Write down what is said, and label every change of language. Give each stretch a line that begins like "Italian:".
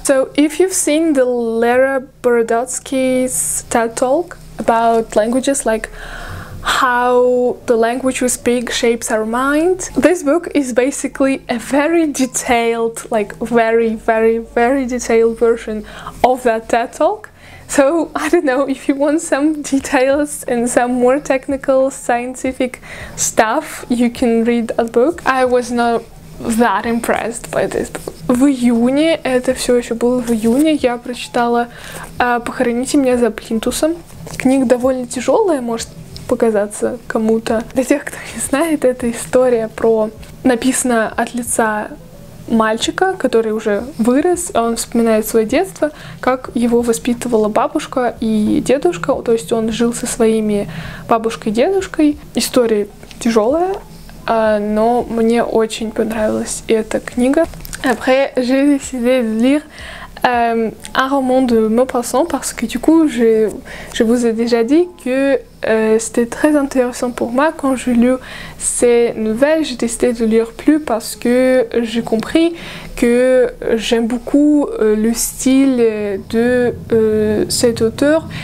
English: So if you've seen the Lera Boroditsky's TED Talk about languages, like how the language we speak shapes our mind, this book is basically a very detailed, like very, very, very detailed version of that TED Talk. So I don't know, if you want some details and some more technical scientific stuff, you can read that book. I was not that impressed by this book.
Russian: В июне, это все еще было в июне, я прочитала «Похороните меня за плинтусом». Книга довольно тяжелая, может показаться кому-то. Для тех, кто не знает, это история про написано от лица мальчика, который уже вырос, он вспоминает свое детство, как его воспитывала бабушка и дедушка, то есть он жил со своими бабушкой и дедушкой. История тяжелая, но мне очень понравилась эта книга.
French: Après, j'ai décidé de lire un roman de Maupassant, parce que du coup, je vous ai déjà dit que c'était très intéressant pour moi quand j'ai lu ces nouvelles. J'ai décidé de lire plus parce que j'ai compris que j'aime beaucoup le style de cet auteur.